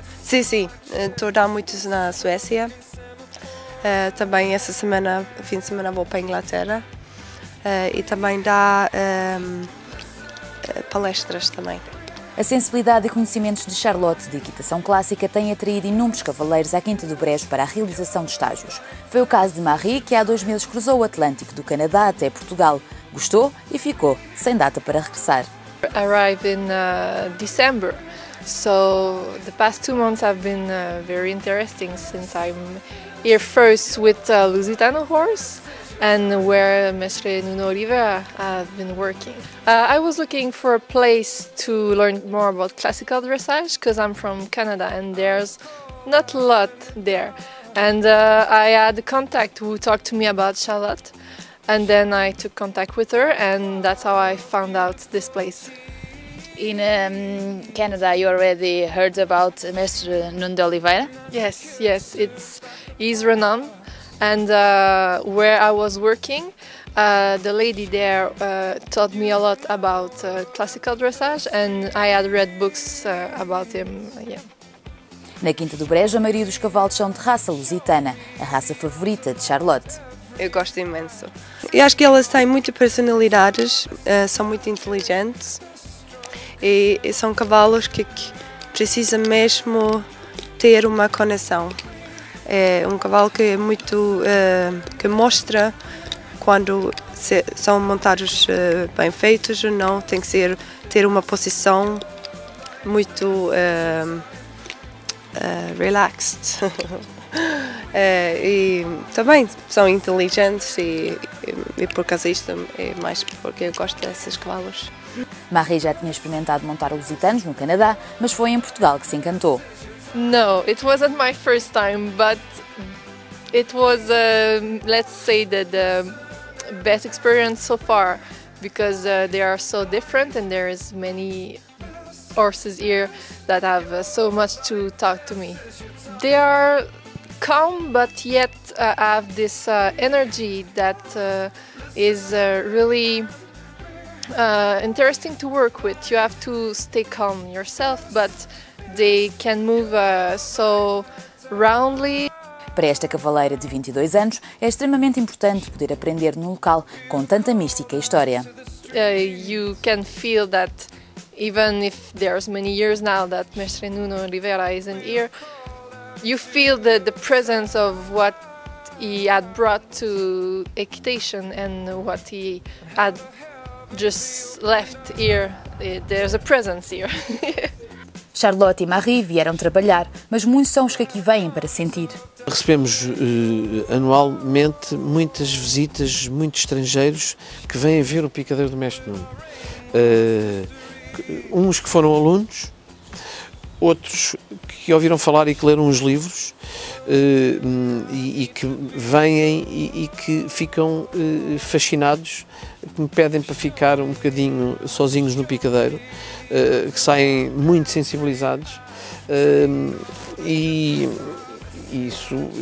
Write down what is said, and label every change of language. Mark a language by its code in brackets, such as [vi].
[pt] Sim, estou a dar muitos na Suécia, também essa semana, fim de semana vou para a Inglaterra, e também dá palestras também. A sensibilidade e conhecimentos de Charlotte de equitação clássica têm atraído inúmeros cavaleiros à Quinta do Brejo para a realização de estágios. Foi o caso de Marie, que há 2 meses cruzou o Atlântico do Canadá até Portugal. Gostou e ficou, sem data para regressar. [en] Arrived in December, so the past 2 months have been very interesting since I'm here first with a Lusitano horse. And where Mestre Nuno Oliveira have been working. I was looking for a place to learn more about classical dressage because I'm from Canada and there's not a lot there. And I had a contact who talked to me about Charlotte and then I took contact with her and that's how I found out this place. In Canada, you already heard about Mestre Nuno Oliveira? Yes, he's renowned. And where I was working, the lady there taught me a lot about classical dressage and I had read books about him. Yeah. [pt] Na Quinta do Brejo, a maioria dos cavalos são de raça lusitana, a raça favorita de Charlotte. Eu gosto imenso. Eu acho que elas têm muitas personalidades, são muito inteligentes e são cavalos que precisam mesmo ter uma conexão. É um cavalo que é muito que mostra quando são montados bem feitos ou não. Tem que ter uma posição muito relaxed. e também são inteligentes e por causa disto é mais porque eu gosto desses cavalos. Marie já tinha experimentado montar lusitanos no Canadá, mas foi em Portugal que se encantou. [en] No, it wasn't my first time, but it was, let's say, the best experience so far, because they are so different and there is many horses here that have so much to talk to me. They are calm, but yet have this energy that is really interesting to work with. You have to stay calm yourself, but they can move so roundly. [pt] Para esta cavaleira de 22 anos, é extremamente importante poder aprender num local com tanta mística e história. [en] You can feel that even if there's many years now that Mestre Nuno Oliveira isn't here, you feel the presence of what he had brought to equitation and what he had just left here. There's a presence here. [pt] Charlotte e Marie vieram trabalhar, mas muitos são os que aqui vêm para sentir. Recebemos anualmente muitas visitas, muitos estrangeiros que vêm ver o picadeiro do Mestre Nuno. Uns que foram alunos, outros que ouviram falar e que leram os livros e que vêm e que ficam fascinados, que me pedem para ficar um bocadinho sozinhos no picadeiro, que saem muito sensibilizados e isso